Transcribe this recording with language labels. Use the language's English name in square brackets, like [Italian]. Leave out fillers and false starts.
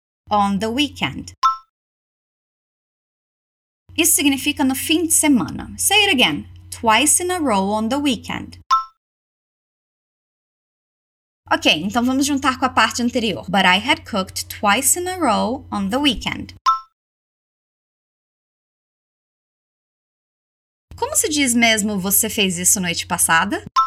[English] on the weekend. [Portuguese] Isso significa no fim de semana. [English] Say it again. Twice in a row on the weekend. [Portuguese] Ok, então vamos juntar com a parte anterior. [English] But I had cooked twice in a row on the weekend. [Portuguese] Como se diz mesmo você fez isso noite passada?